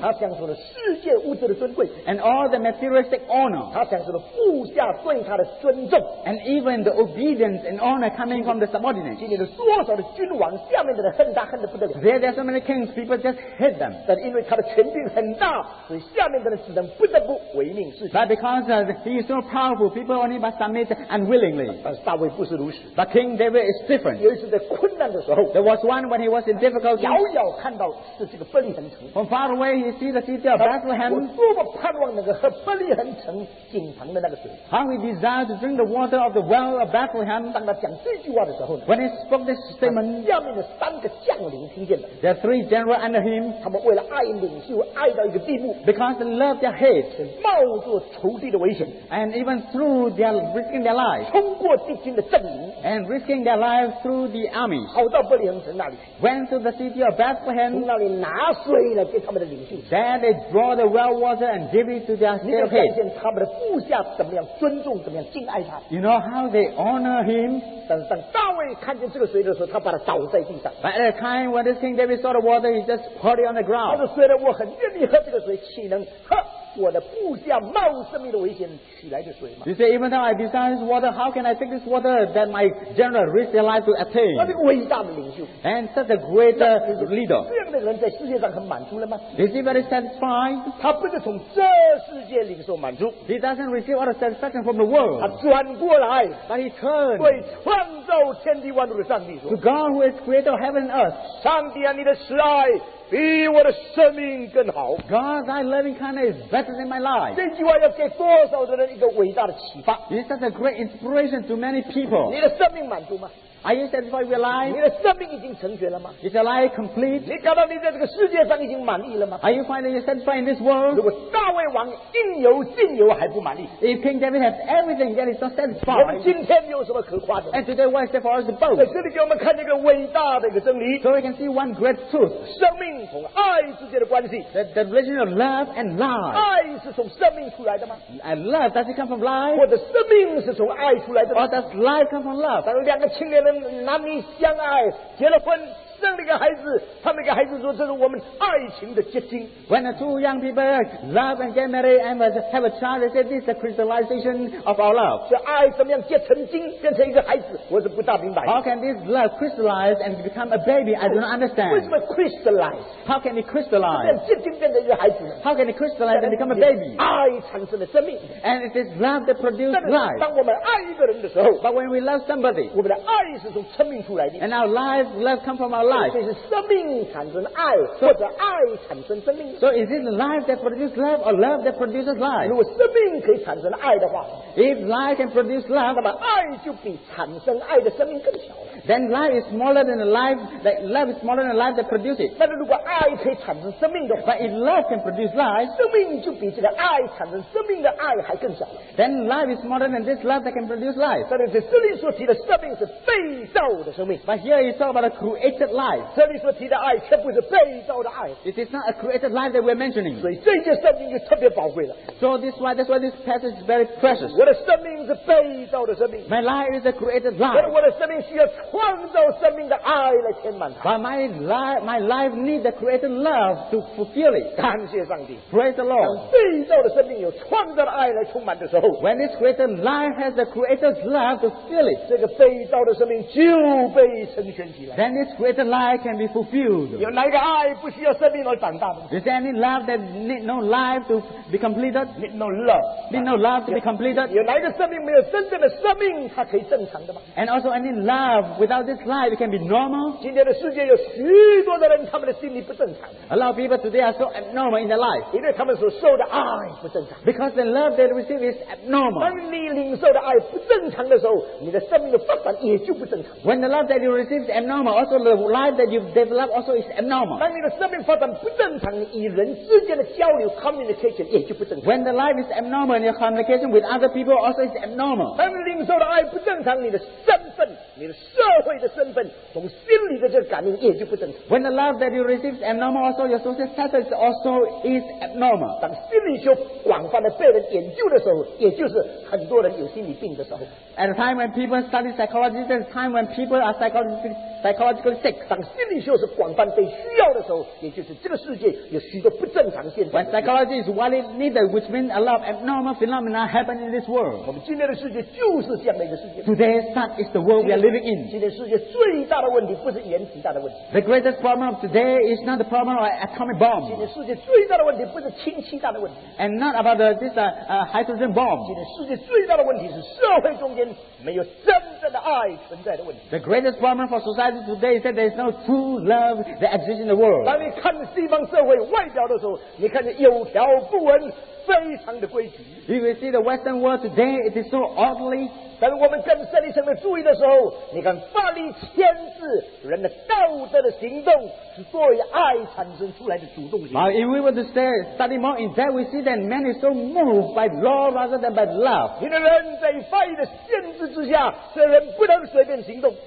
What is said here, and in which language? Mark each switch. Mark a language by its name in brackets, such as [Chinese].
[Chinese] 他享受了世界物质的尊贵。 [English] And all the materialistic honor. [Chinese] 他享受了部下对他的尊重。 [English] And even the obedience and honor coming from the subordinates. [Chinese] 今天有多少的君王，下面的人恨他恨得不得了。 [English] There are so many kings, people just hate them. [Chinese] 但因为他的权柄很大，所以下面的人只能不得不唯命是从。 [English] But because he is so powerful, people only but submit unwillingly. [Chinese] 但大卫不是如此。 [English] But King David is different. [Chinese] 尤其是在困难的时候。 [English] There was one when he was in difficulty. [Chinese] 遥遥看到。是这个伯利恒城。 [English] From far away, he sees the city of Bethlehem. [Chinese] 我多么盼望那个和伯利恒城井旁的那个水。 [English] How he desired to drink the water of the well of Bethlehem. [Chinese] 当他讲这句话的时候呢 [English] ？When he spoke this statement, [Chinese] 下面的三个将领听见了。 [English] There are three generals under him. [Chinese] 他们为了爱领袖，爱到一个地步。 [English] Because they love their head, [Chinese] 冒着仇敌的危险。 [English] And even through their risking their lives, [Chinese] 冲过敌军的阵营。 [English] And risking their lives through the army, [Chinese] 跑到伯利恒城那里。 [English] Went to the city of Bethlehem. [Chinese] 从那里拿水来给他们的领袖。 [English] Then they draw the well water and give it to their head. [Chinese] 你看见他们的部下怎么样尊重，怎么样敬爱他。 [English] You know how they honor him. [Chinese] 但是当大卫看见这个水的时候，他把它倒在地上。 [English] But at the time when this King David saw the water, he just poured it on the ground. [Chinese] 他说：“虽然我很愿意喝这个水，岂能喝我的部下冒生命的危险取来的水吗？” [English] You say, even though I desire this water, how can I take this water that my general risk their life to attain? [Chinese] 那个伟大的领袖。 [English] And such a great leader. [Chinese] 这样的人在世界上很满足了吗？ [English] Is he very satisfied? [Chinese] 他不是从这世界领受满足。 [English] He doesn't receive all the satisfaction from the world. [Chinese] 他转过来。 [English] But he turned. [Chinese] 为创造天地万物的上帝说。 [English] To God who has created heaven and earth. [Chinese] 上帝啊，你的慈爱比我的生命更好。 [English] God, thy loving kindness is better than my life. [Chinese] 这句话要给多少的人一个伟大的启发。 [English] It's such a great inspiration to many people. [Chinese] 你的生命满足吗？ [English] Are you satisfied with your life? [Chinese] 你的生命已经成全了吗？ [English] Is your life complete? [Chinese] 你感到你在这个世界上已经满意了吗？ [English] Are you finally satisfied in this world? [Chinese] 如果大卫王应有尽有还不满意， [English] If King David has everything yet he's not satisfied, [Chinese] 我们今天有什么可夸的？ [English] And today what is there for us to boast? [Chinese] 在这里给我们看一个伟大的一个真理。 [English] So we can see one great truth. [Chinese] 生命和爱之间的关系。 [English] The relation of love and life. [Chinese] 爱是从生命出来的吗？ [English] And love, does it come from life? [Chinese] 或者生命是从爱出来的吗？ [English] Or does life come from love? [Chinese] 当两个青年人男女相爱，结了婚。生了一个孩子，他那个孩子说这是我们爱情的结晶。 [English] When two young people love and get married and have a child, they say this is the crystallization of our love. [Chinese] 这爱怎么样结成晶，变成一个孩子，我是不大明白。 [English] How can this love crystallize and become a baby? I do not understand. [Chinese] 为什么 crystallize? [English] How can it crystallize? [Chinese] 结晶变成一个孩子。 [English] How can it crystallize and become a baby? [Chinese] 爱产生了生命。 [English] And it is love that produces life. [Chinese] 当我们爱一个人的时候 [English] ，But when we love somebody, [Chinese] 我们的爱是从生命出来的。 [English] And our love comes from our life. [Chinese] 所以是生命产生爱，或者爱产生生命。 [English] So is it life that produces love, or love that produces life? [Chinese] 如果生命可以产生爱的话 [English] ，If life can produce love, [Chinese] 那么爱就比产生爱的生命更小。 [English] Then life is smaller than the life that love is smaller than the life that produces. [Chinese] 但是如果爱可以产生生命的话 [English] ，But if love can produce life, [Chinese] 生命就比这个爱产生生命的爱还更小。 [English] Then life is smaller than this love that can produce life. [Chinese] 但是这里所提的生命是被造的生命。 [English] But here he talks about a created life. [Chinese] 这里所提的爱却不是被造的爱。 [English] It is not a created life that we're mentioning. [Chinese] 所以这些生命就特别宝贵了。 [English] So that's why this passage is very precious. [Chinese] 我的生命是被造的生命。 [English] My life is a created life. [Chinese] 但是我的生命需要创造生命的爱来填满它。 [English] But my life needs the created love to fulfill it. [Chinese] 感谢上帝。 [English] Praise the Lord. [Chinese] 当被造的生命有创造的爱来充满的时候 [English] ，When this created life has the created love to fill it, [Chinese] 这个被造的生命就被成全起来。 [English] Then this created life can be fulfilled. [Chinese] 有哪一个爱不需要生命来长大的 [English] ？Is there any love that need no life to be completed? Need no love. Need no love to be completed. [Chinese] 有哪一个生命没有真正的生命，它可以正常的吗 [English] ？And also any love without this life it can be normal. [Chinese] 今天的世界有许多的人，他们的心理不正常。 [English] A lot of people today are so abnormal in their life. [Chinese] 因为他们所受的爱不正常。 [English] Because the love they receive is abnormal. [Chinese] 当你领受的爱不正常的时候，你的生命的发展也就不正常。 [English] When the love that you receive is abnormal, also the life that you develop also is abnormal. [Chinese] 当你的生命发展不正常，你与人之间的交流 communication 也就不正常。 [English] When the life is abnormal, your communication with other people also is abnormal. [Chinese] 当你领受的爱不正常，你的身份、你的社会的身份，从心里的这个感应也就不正常。 [English] When the love that you receive is abnormal, also your social status also is abnormal. [Chinese] 当心理学广泛的被人研究的时候，也就是很多人有心理病的时候。 [English] At a time when people study psychology, at a time when people are psychologically sick. [Chinese] 当心理学是广泛被需要的时候，也就是这个世界有许多不正常现象。 [English] When psychology is widely needed, which means a lot of abnormal phenomena happen in this world. [Chinese] 我们今天的世界就是这样的一个世界。 [English] Today's time is the world we are living in. [Chinese] 今天世界最大的问题不是原子大的问题。 [English] The greatest problem of today is not the problem of atomic bomb. [Chinese] 今天世界最大的问题不是氢气大的问题。 [English] And not about hydrogen bomb. [Chinese] 今天世界最大的问题是社会中间没有真正的爱存在的问题。 [English] The greatest problem for society today is that there is no true love that exists in the world. [Chinese] 当你看西方社会外表的时候，你看见有条不紊，非常的规矩。 [English] You will see the Western world today; it is so orderly. [Chinese] 但是我们更深一层的注意的时候，你看法律签字，人的道德的行动是作为爱产生出来的主动性。 [English] Now, if we were to study more in depth, we see that man is so moved by law rather than by love. [Chinese] 因为人在法律的限制之下，所以人不能随便行动。